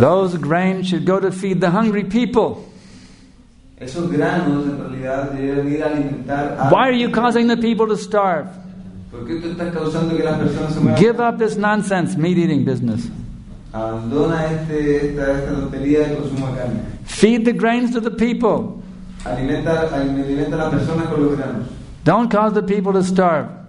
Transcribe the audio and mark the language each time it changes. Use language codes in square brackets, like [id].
[en] Those grains should go to feed the hungry people. [es] Esos granos en realidad deberían ir a alimentar a... [en] Why are you causing the people to starve? [es] ¿Por qué tú estás causando que las personas se mueran? [en] Give up this nonsense meat eating business. [es] Abandona esta lotería de consumo de carne. [en] Feed the grains to the people. [es] Alimenta a las personas con los granos. [en] Don't cause the people to starve.